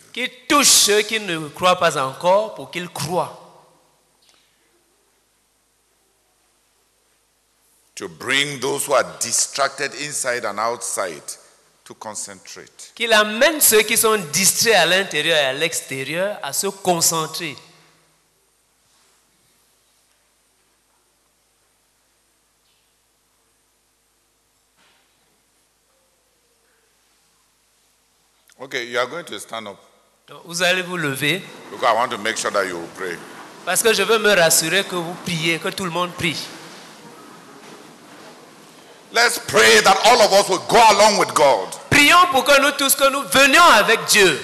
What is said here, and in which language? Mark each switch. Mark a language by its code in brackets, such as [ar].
[fr] Qu'il touche ceux qui ne croient pas encore pour qu'ils croient. [en] To bring those who are distracted inside and outside to concentrate. [fr] Qu'il amène ceux qui sont distraits à l'intérieur et à l'extérieur à se concentrer. [en] Okay, you are going to stand up. [fr] Donc, vous allez vous lever. [en] Because I want to make sure that you pray. [fr] Parce que je veux me rassurer que vous priez, que tout le monde prie. [en] Let's pray that all of us will go along with God. [fr] Prions pour que nous tous que nous venions avec Dieu.